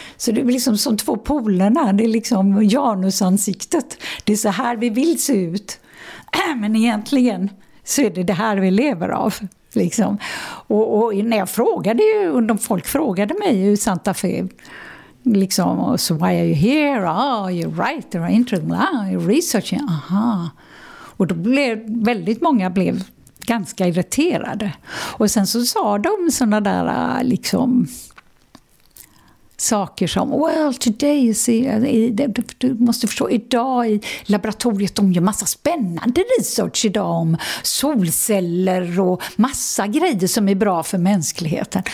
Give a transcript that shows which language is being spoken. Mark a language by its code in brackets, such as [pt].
[sv] Så det är liksom som två polerna, det är liksom Janusansiktet. Det är så här vi vill se ut, men egentligen så är det här vi lever av liksom. Och när jag frågade ju, de folk frågade mig i Santa Fe liksom, [en] so why are you here? Oh, you're right, you're interested, you're researching. [sv] Aha. Och då blev väldigt många blev ganska irriterade. Och sen så sa de såna där liksom saker som, [en] well, today you see, [sv] du måste förstå, idag i laboratoriet de gör massa spännande research idag om solceller och massa grejer som är bra för mänskligheten.